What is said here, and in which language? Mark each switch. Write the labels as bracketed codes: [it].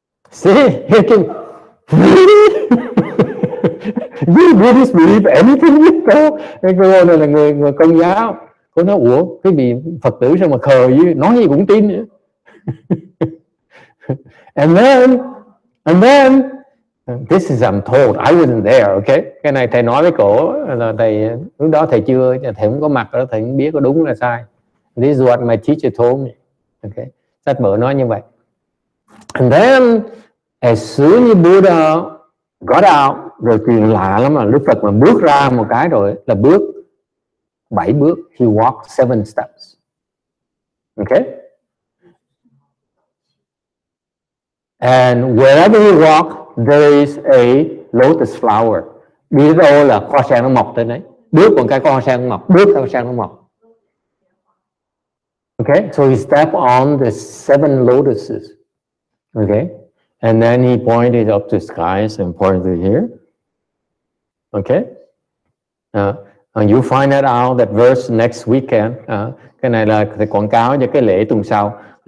[en] See, do Buddhists believe anything you tell? [vi] Cái cô này là người Công giáo. Cô nói, ủa, cái vị Phật tử sao mà khờ như nói gì cũng tin nữa. [en] and then, this is I'm told, I wasn't there, okay? [vi] Cái này thầy nói với cổ, là thầy, lúc đó thầy chưa, thầy không có mặt đó, thầy không biết có đúng là sai. [en] This is what my teacher told me, okay? [vi] Sách vở nói như vậy. [en] And then, as soon as Buddha got out, [vi] rồi kỳ lạ lắm mà Đức Phật mà bước ra một cái rồi là bước 7 bước, [en] he walked 7 steps. Okay? And wherever he walked, there is a lotus flower. [vi] Đi đâu là hoa sen nó mọc tới đấy. Bước một cái hoa sen nó mọc, bước hoa sen nó mọc. [en] Okay? So he stepped on the 7 lotuses. Okay? And then he pointed up to skies and pointed here. Okay? And you find that out, that verse next weekend. [vi] Cái này là thầy quảng cáo cho cái lễ tuần sau.